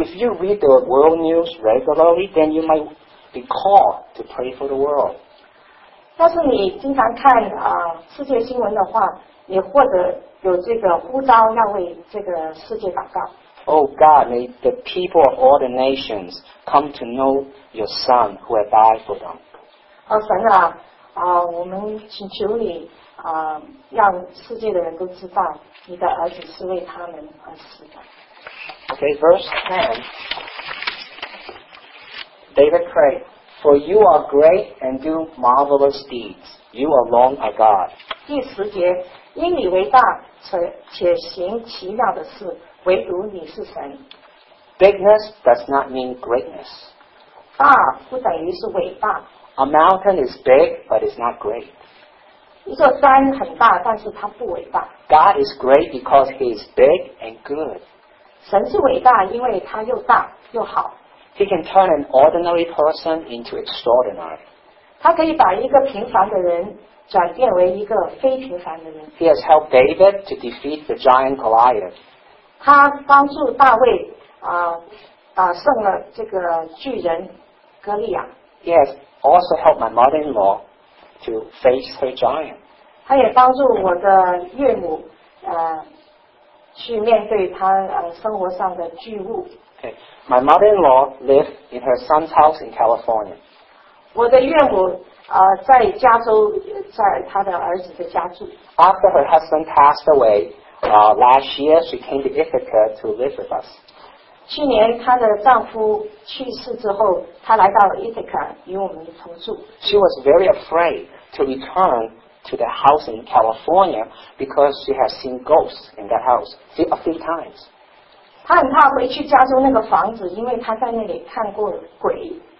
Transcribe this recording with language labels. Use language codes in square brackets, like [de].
[en] If you read the world news regularly, then you might be called to pray for the world. [zh] 要是你经常看世界新闻的话，你或者有这个呼召要为这个世界祷告。 [en] Oh God, may the people of all the nations come to know your Son who has died for them. [zh] 神啊，我们请求你让世界的人都知道你的儿子是为他们而死的。 [en] Okay, verse 10. David prayed, For you are great and do marvelous deeds. You alone are God. [zh] 第十节，因你为大，且行奇妙的事。唯独你是神。 [en] Bigness does not mean greatness. [zh] 大不等于是伟大。 [en] A mountain is big, but it's not great. [zh] 一座山很大，但是它不伟大。 [en] God is great because He is big and good. [zh] 神是伟大，因为他又大又好。 [en] He can turn an ordinary person into extraordinary. [zh] 他可以把一个平凡的人转变为一个非平凡的人。 [en] He has helped David to defeat the giant Goliath. [zh] 他帮助大卫打胜了这个巨人哥利亚。 [en] Yes, also helped my mother-in-law to face her giant. [zh] 他也帮助我的岳母去面对他生活上的巨物。 [en] Okay, my mother-in-law lived in her son's house in California. [zh] 我的岳母在加州，在他的儿子的家住。 [en] After her husband passed away,last year, she came to Ithaca to live with us. [zh] 去年她的丈夫去世之后，她来到了 Ithaca 与我们同住。 [en] She was very afraid to return to the house in California because she has seen ghosts in that house a few times. [zh] 她很怕回去加州那个房子，因为她在那里看过鬼。